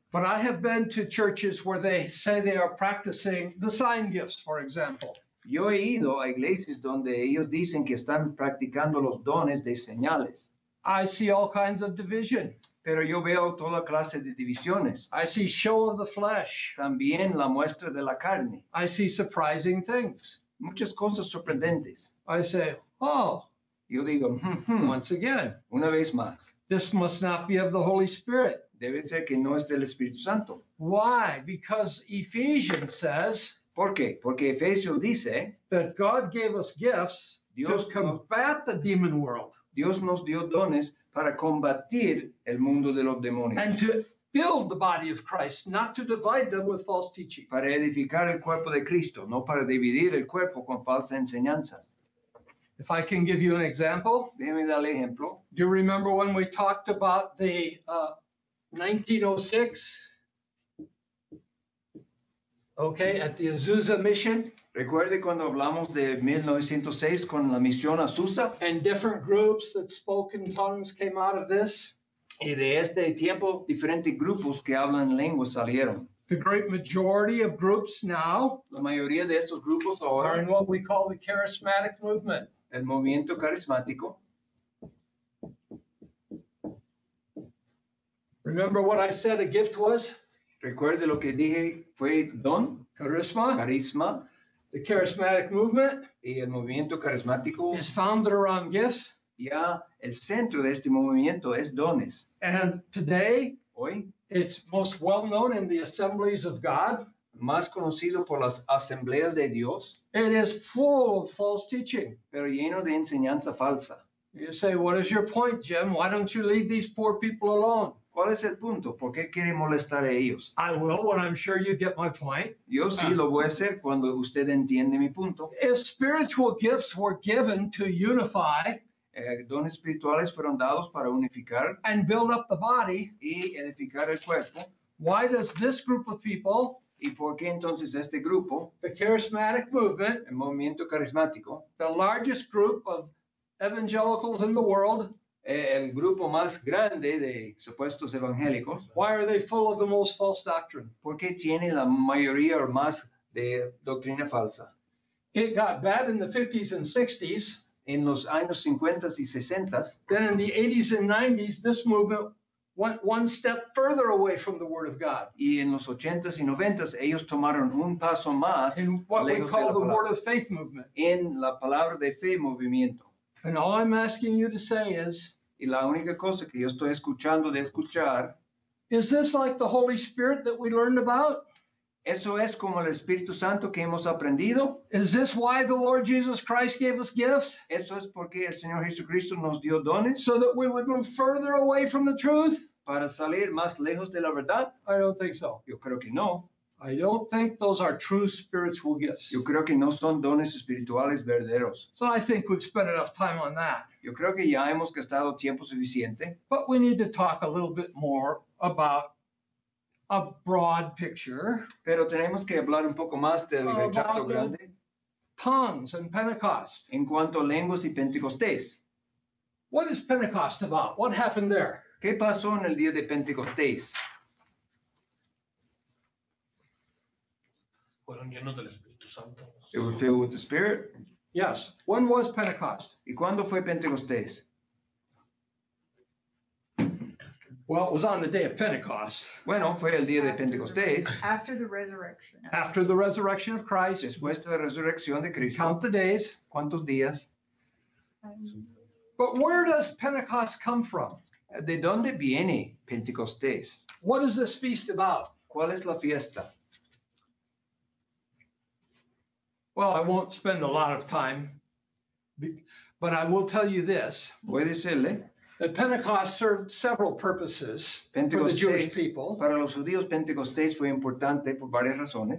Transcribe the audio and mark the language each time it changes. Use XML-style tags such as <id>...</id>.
<en>But I have been to churches where they say they are practicing the sign gifts, for example.</en> <es>Yo he ido a iglesias donde ellos dicen que están practicando los dones de señales.</es> <en>I see all kinds of division.</en> <es>Pero yo veo toda clase de divisiones.</es> <en>I see show of the flesh.</en> <es>También la muestra de la carne.</es> <en>I see surprising things.</en> <es>Muchas cosas sorprendentes.</es> <en>I say, oh.</en> <es>Yo digo,</es> <en>once again,</en> <es>una vez más,</es> <en>this must not be of the Holy Spirit.</en> <es>Debe ser que no es del Espíritu Santo.</es> <en>Why? Because Ephesians says,</en> <es>¿por qué? Porque Efesios dice,</es> <en>that God gave us gifts Dios to combat the demon world.</en> <es>Dios nos dio dones para combatir el mundo de los demonios.</es> <en>And to build the body of Christ, not to divide them with false teaching.</en> <es>Para edificar el cuerpo de Cristo, no para dividir el cuerpo con falsas enseñanzas.</es> <en>If I can give you an example.</en> <es>Déjame dar ejemplo.</es> <en>Do you remember when we talked about the 1906? Okay, at the Azusa Mission.</en> <es>Recuerde cuando hablamos de 1906 con la misión Azusa.</es> <en>And different groups that spoke in tongues came out of this.</en> <es>Y de este tiempo, diferentes grupos que hablan lenguas salieron.</es> <en>The great majority of groups now.</en> <es>La mayoría de estos grupos ahora.</es> <en>Are in what we call the charismatic movement.</en> <es>El movimiento carismático.</es> <en>Remember what I said a gift was?</en> <es>Recuerde lo que dije fue don. Carisma. Carisma.</es> <en>The charismatic movement.</en> <es>Y el movimiento carismático.</es> <en>Is founded around gifts.</en> <es>Ya el centro de este movimiento es dones.</es> <en>And today.</en> <es>Hoy.</es> <en>It's most well known in the assemblies of God.</en> <es>Más conocido por las asambleas de Dios.</es> <en>It is full of false teaching.</en> <es>Pero lleno de enseñanza falsa.</es> <en>You say, what is your point, Jim? Why don't you leave these poor people alone?</en> <es>¿Cuál es el punto? ¿Por qué quiere molestar a ellos?</es> <en>I will when I'm sure you get my point.</en> <es>Yo sí lo voy a hacer cuando usted entiende mi punto.</es> <en>If spiritual gifts were given to unify.</en> <es>Dones espirituales fueron dados para unificar.</es> <en>And build up the body.</en> <es>Y edificar el cuerpo.</es> <en>Why does this group of people.</en> <es>¿Y por qué entonces este grupo?</es> <en>The charismatic movement.</en> <es>El movimiento carismático.</es> <en>The largest group of evangelicals in the world.</en> <es>El grupo más grande de supuestos evangélicos.</es> <en>Why are they full of the most false doctrine?</en> <es>¿Por qué tiene la mayoría o más de doctrina falsa?</es> <en>It got bad in the 50s and 60s.</en> <es>En los años 50 y 60.</es> <en>Then in the 80s and 90s, this movement went one step further away from the Word of God.</en> <es>Y en los 80s y 90s, ellos tomaron un paso más.</es> <en>In what we call the Word of Faith movement.</en> <es>En la palabra de fe movimiento.</es> <en>And all I'm asking you to say is.</en> <es>Y la única cosa que yo estoy escuchando de escuchar.</es> <en>Is this like the Holy Spirit that we learned about?</en> <es>¿Eso es como el Espíritu Santo que hemos aprendido?</es> <en>Is this why the Lord Jesus Christ gave us gifts?</en> <es>¿Eso es porque el Señor Jesucristo nos dio dones?</es> <en>So that we would move further away from the truth?</en> <es>¿Para salir más lejos de la verdad?</es> <en>I don't think so.</en> <es>Yo creo que no.</es> <en>I don't think those are true spiritual gifts.</en> <es>Yo creo que no son dones espirituales verdaderos.</es> <en>So I think we've spent enough time on that.</en> <es>Yo creo que ya hemos gastado tiempo suficiente.</es> <en>But we need to talk a little bit more about a broad picture.</en> <es>Pero tenemos que hablar un poco más del retrato grande.</es> <en>Tongues and Pentecost.</en> <es>En cuanto a lenguas y Pentecostés.</es> <en>What is Pentecost about? What happened there?</en> <es>¿Qué pasó en el día de Pentecostés? Fueron llenos del Espíritu Santo.</es> <en>They were filled with the Spirit? Yes. When was Pentecost?</en> <es>¿Y cuándo fue Pentecostés?</es> <en>Well, it was on the day of Pentecost.</en> <es>Bueno, fue el día de Pentecostés.</es> <en>After the resurrection. After the resurrection of Christ.</en> <es>Después de la resurrección de Cristo.</es> <en>Count the days.</en> <es>¿Cuántos días?</es> <en>But where does Pentecost come from?</en> <es>¿De dónde viene Pentecostés?</es> <en>What is this feast about?</en> <es>¿Cuál es la fiesta?</es> <en>Well, I won't spend a lot of time, but I will tell you this.</en> <es>Voy a decirle.</es> <en>That Pentecost served several purposes for the Jewish people.</en> <es>Para los judíos, Pentecostés fue importante por varias razones.</es>